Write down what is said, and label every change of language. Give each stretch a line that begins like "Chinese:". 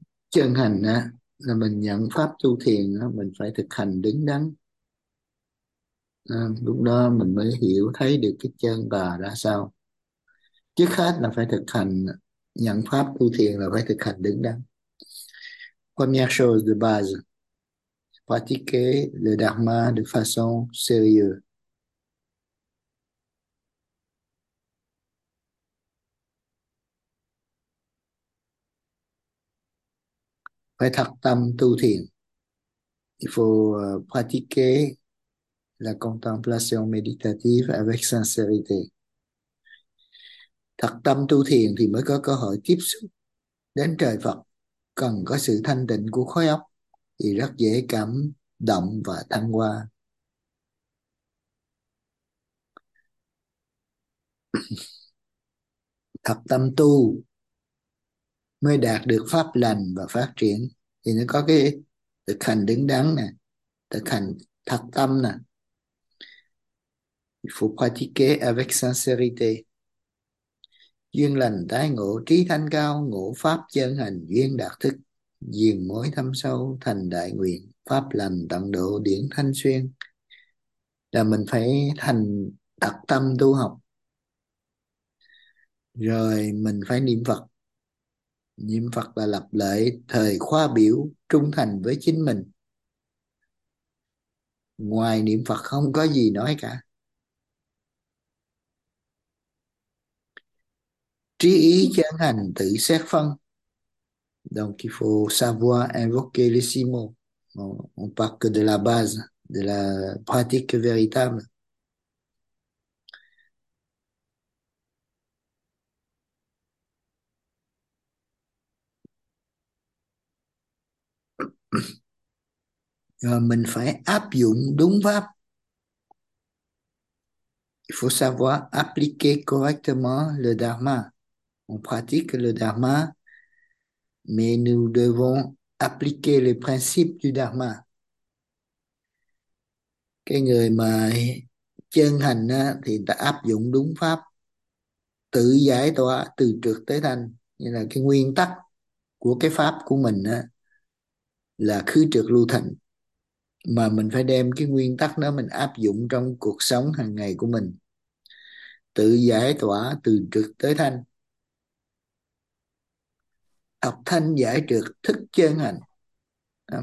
Vietnamese: Chân hành á, là mình nhận pháp tu thiền á, mình phải thực hành đứng đắn. Lúc đó mình mới hiểu thấy được cái chân bà ra sao. Trước hết là phải thực hành nhận pháp tu thiền, là phải thực hành đứng đắn.
French: Première chose de base, pratiquer le dharma de façon sérieuse.
Vietnamese: Phải thật tâm tu thiền.
French: Il faut pratiquer la contemplation méditative avec sincérité.
Vietnamese: Thật tâm tu thiền thì mới có cơ hội tiếp xúc đến trời Phật. Cần có sự thanh tịnh của khối óc thì rất dễ cảm động và thăng hoa. Thật tâm tu mới đạt được pháp lành và phát triển. Thì nó có cái thực hành đứng đắn nè, thực hành thật tâm nè.
French: Faut pratiquer avec sincérité.
Vietnamese: Duyên lành tái ngộ, trí thanh cao, ngộ pháp chân hành, duyên đạt thức, duyên mối thâm sâu, thành đại nguyện, pháp lành tận độ, điển thanh xuyên. Là mình phải thành thật tâm tu học. Rồi mình phải niệm Phật. Niệm Phật là lập lại thời khóa biểu trung thành với chính mình. Ngoài niệm Phật không có gì nói cả. Trí ý chân hành tự xét phân.
French: Donc il faut savoir invoquer les six mots. On part que de la base, de la pratique véritable.
Vietnamese: Rồi mình phải áp dụng đúng pháp.
French: Il faut savoir appliquer correctement le dharma. On pratique le dharma, mais nous devons appliquer les principes du dharma.
Vietnamese: Cái người mà chân hành á, thì ta áp dụng đúng pháp, tự giải tỏa từ trược tới thanh, như là cái nguyên tắc của cái pháp của mình á, là khứ trược lưu thành. Mà mình phải đem cái nguyên tắc đó mình áp dụng trong cuộc sống hàng ngày của mình, tự giải tỏa từ trược tới thanh, học thanh giải trược thức chân hành đó.